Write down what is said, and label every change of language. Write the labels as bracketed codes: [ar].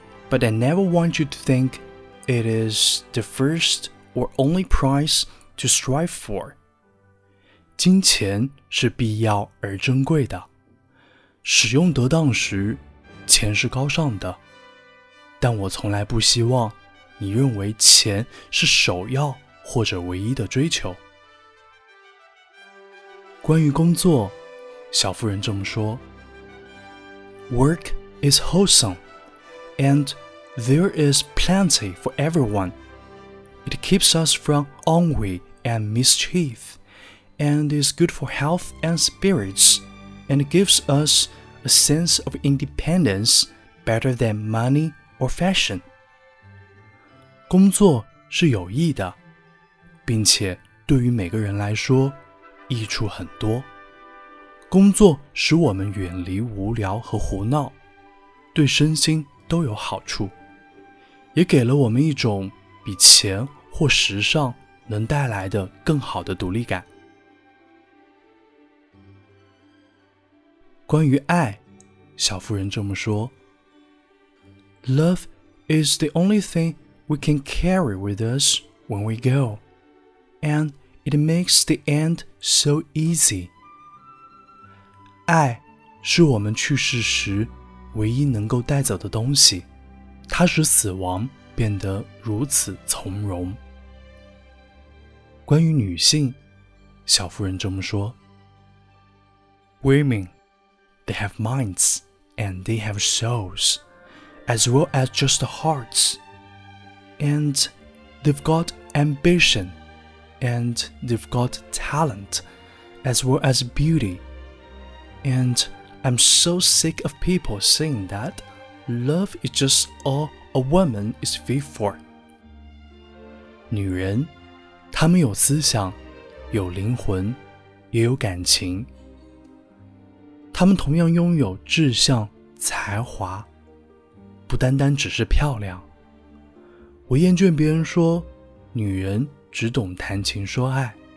[en] But I never want you to think it is the first or only prize to strive for. [zh] 金钱是必要而珍贵的，使用得当时，钱是高尚的，但我从来不希望你认为钱是首要或者唯一的追求。关于工作，小妇人这么说： [en] Work is wholesome, and there is plenty for everyone. It keeps us from ennui and mischief, and is good for health and spirits, and gives us a sense of independence better than money or fashion. [zh] 工作是有益的，并且对于每个人来说益处很多。工作使我们远离无聊和胡闹，对身心都有好处，也给了我们一种比钱或时尚能带来的更好的独立感。关于爱，小妇人这么说： [en] Love is the only thingWe can carry with us when we go, and it makes the end so easy. [zh] 爱是我们去世时唯一能够带走的东西，它使死亡变得如此从容。关于女性，小妇人这么说： [en] Women, they have minds and they have souls, as well as just hearts. And they've got ambition, and they've got talent, as well as beauty. And I'm so sick of people saying that love is just all a woman is fit for. [zh] 女人，她们有思想，有灵魂，也有感情。她们同样拥有志向、才华，不单单只是漂亮。我厌倦别人说女人只懂谈情说爱。